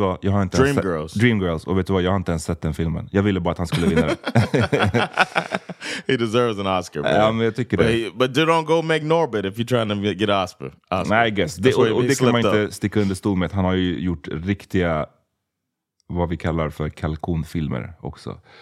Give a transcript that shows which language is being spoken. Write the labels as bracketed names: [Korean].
[Swedish] Dreamgirls. Och vet du vad? Jag har inte ens sett den filmen. Jag ville bara att han skulle vinna. [English] He deserves an Oscar. [Swedish] Ja, men jag tycker det. [English] But you don't go make Norbit if you're trying to get Oscar. Nej, I guess. [Swedish] Det kan man inte sticka under stol med. Han har ju gjort riktiga, vad vi kallar för kalkonfilmer också.